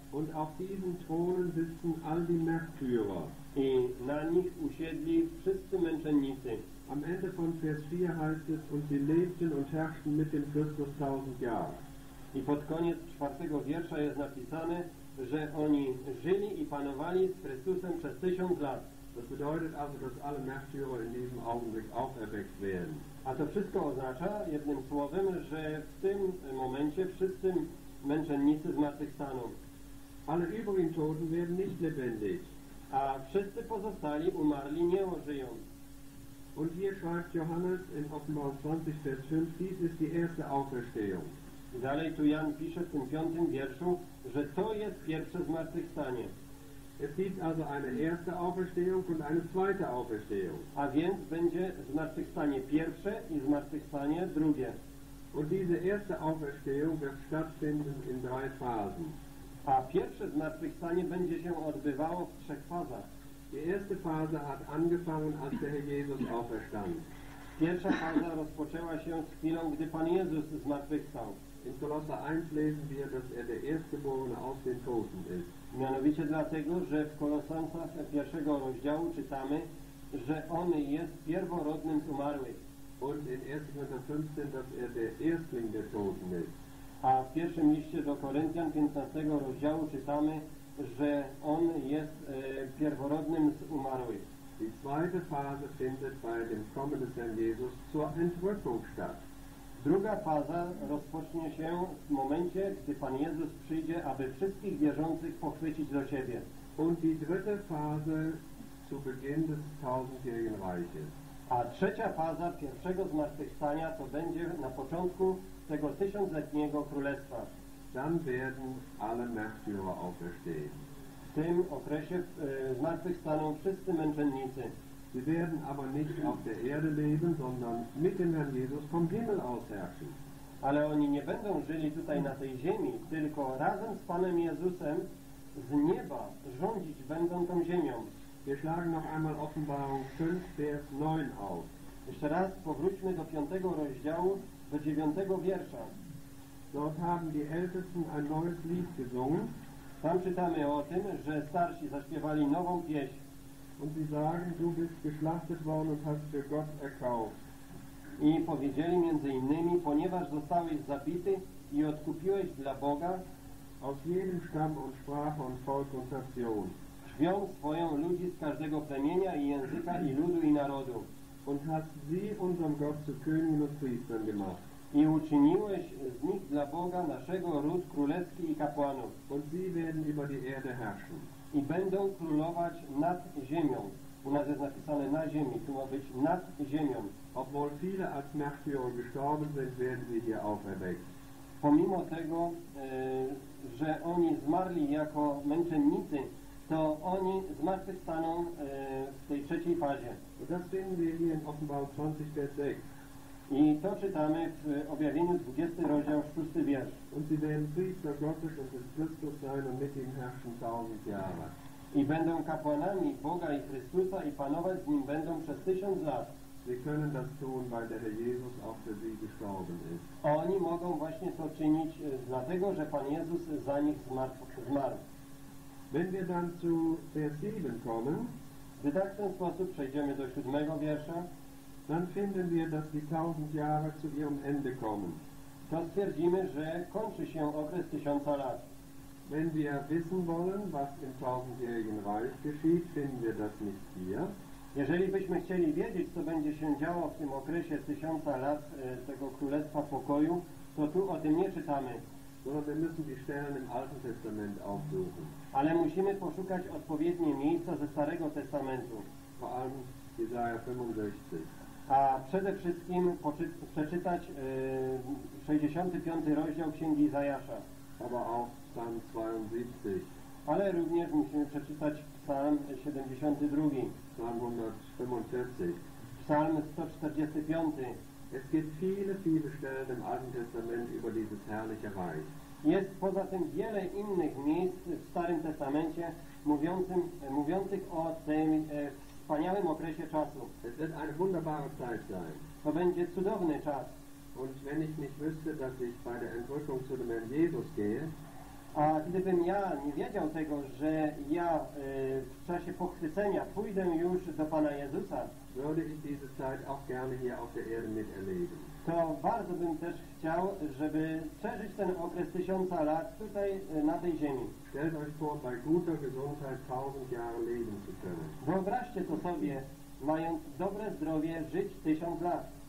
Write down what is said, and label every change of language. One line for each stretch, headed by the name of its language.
German: Und auf diesen Thronen sitzen all die Märtyrer.
Polish: I na nich usiedli wszyscy męczennicy.
German: Am Ende von Vers 4 heißt es, und sie lebten und herrschten mit dem Christus 1000 Jahre.
Polish: I pod koniec czwartego wiersza jest napisane, że oni żyli i panowali z Chrystusem przez 1000 lat.
German: Das bedeutet also, dass alle Märtyrer in diesem Augenblick auferweckt werden.
Polish: A to wszystko oznacza, jednym słowem, że w tym momencie wszyscy męczennicy zmartwychwstaną.
German: Alle übrigen Toten werden nicht lebendig.
Polish: A wszyscy pozostali umarli nie ożyją.
German: Und hier schreibt Johannes in Offenbarung 20, Vers 5, dies ist die erste Auferstehung.
Polish: I dalej tu Jan pisze w tym piątym wierszu, że to jest pierwsze zmartwychwstanie.
German: Es gibt also eine erste Auferstehung und eine zweite Auferstehung.
Polish: A więc będzie zmartwychwstanie pierwsze i zmartwychwstanie drugie.
German: Und diese erste Auferstehung wird stattfinden in drei Phasen.
Polish: A pierwsze zmartwychwstanie będzie się odbywało w trzech fazach.
German: Die erste Phase hat angefangen, als der Herr Jesus auferstand.
Polish: Pierwsza faza rozpoczęła się z chwilą, gdy Pan Jezus zmartwychwstał.
German: In Kolosser 1 lesen wir, dass er der Erstgeborene aus den Toten ist.
Polish: Mianowicie dlatego, że w Kolosansach pierwszego rozdziału czytamy, że on jest pierworodnym z umarłych.
German: Und in 1. Korinther 15, dass er der Erstling der Toten ist.
Polish: A w pierwszym liście do Koryntian 15 rozdziału czytamy, że on jest pierworodnym z umarłych.
German: Die zweite Phase findet bei dem Kommen des Herrn Jesus zur Entrückung statt.
Polish: Druga faza rozpocznie się w momencie, gdy Pan Jezus przyjdzie, aby wszystkich wierzących pochwycić do siebie.
German: Und die dritte Phase zu Beginn des tausendjährigen Reiches.
Polish: A trzecia faza pierwszego zmartwychwstania to będzie na początku tego tysiącletniego królestwa.
German: Dann werden alle Märtyrer auferstehen.
Polish: W tym okresie zmartwychwstaną wszyscy męczennicy.
German: Sie werden aber nicht auf der Erde leben, sondern mit dem Herrn Jesus vom Himmel aus herrschen.
Polish: Ale oni nie będą żyli tutaj na tej ziemi, tylko razem z Panem Jezusem z nieba rządzić będą tą ziemią.
German: Wir schlagen noch einmal Offenbarung 5, Vers 9 auf.
Polish: Jeszcze raz powróćmy do 5 rozdziału, do 9 wiersza.
German: Dort haben die Ältesten ein neues Lied gesungen.
Polish: Tam czytamy o tym, że starsi zaśpiewali nową pieśń.
German: Und sie sagen, du bist geschlachtet worden und hast für Gott erkauft.
Polish: I powiedzieli między innymi, ponieważ zostałeś zabity i odkupiłeś dla Boga
German: aus jedem Stamm und Sprache und Volk und Nation.
Polish: Krwią swoją ludzi z każdego plemienia i języka i ludu i narodu.
German: Und hast sie unserem Gott zu Königen und Priestern gemacht.
Polish: I uczyniłeś z nich dla Boga naszego ród królewski i kapłanów.
German: Und sie werden über die Erde herrschen.
Polish: I będą królować nad ziemią. U nas jest napisane na ziemi, tu ma być nad ziemią.
German: Obwohl viele als Märtyrer gestorben sind, werden sie hier auferweckt.
Polish: Pomimo tego, że oni zmarli jako męczennicy, to oni zmartwychwstaną w tej trzeciej fazie.
German: Das finden wir hier in Offenbarung 20, Vers 6.
Polish: I to czytamy w Objawieniu 20, rozdział 6, wiersz.
German: Und sie werden Priester Gottes und des Christus sein und mit ihm herrschen 1000 Jahre.
Polish: I będą kapłanami Boga i Chrystusa i panować z nim będą przez 1000 lat.
German: Sie können das tun, weil der Herr Jesus auch für sie gestorben ist.
Polish: Oni mogą właśnie to czynić, dlatego że Pan Jezus za nich zmarł.
German: Wenn wir dann zu Vers 7 kommen,
Polish: gdy tak w ten sposób przejdziemy do 7 wiersza,
German: dann finden wir, dass die 1000 Jahre zu ihrem Ende kommen.
Polish: To stwierdzimy, że kończy się okres 1000 lat.
German: Wenn wir wissen wollen, was im tausendjährigen Reich geschieht, finden wir das nicht hier.
Polish: Jeżeli byśmy chcieli wiedzieć, co będzie się działo w tym okresie 1000 lat tego Królestwa Pokoju, to tu o tym nie czytamy.
German: Wir müssen die Stellen im Alten Testament aufsuchen.
Polish: Ale musimy poszukać odpowiednie miejsca ze Starego Testamentu.
German: Vor allem Jesaja 65.
Polish: A przede wszystkim przeczytać 65 rozdział Księgi Izajasza.
German: Aber auch Psalm 72.
Polish: Ale również musimy przeczytać Psalm 72.
German: Psalm 145.
Polish: Psalm 145.
German: Es gibt viele, viele Stellen im Alten Testament über dieses herrliche Reich.
Polish: Jest poza tym wiele innych miejsc w Starym Testamencie mówiących o tym wspaniałym okresie czasu.
German: Es wird eine wunderbare Zeit sein.
Polish: To będzie cudowny czas.
German: Und wenn ich nicht wüsste, dass ich bei der Entrückung zu dem Herrn Jesus gehe,
Polish: a gdybym ja nie wiedział tego, że ja w czasie pochwycenia pójdę już do Pana Jezusa,
German: würde ich diese Zeit auch gerne hier auf der Erde miterleben.
Polish: To bardzo bym też chciał, żeby przeżyć ten okres 1000 lat tutaj na tej ziemi.
German: Stellt euch vor, bei guter Gesundheit 1000 Jahre leben zu können.
Polish: Wyobraźcie to sobie, mając dobre zdrowie, żyć 1000 lat.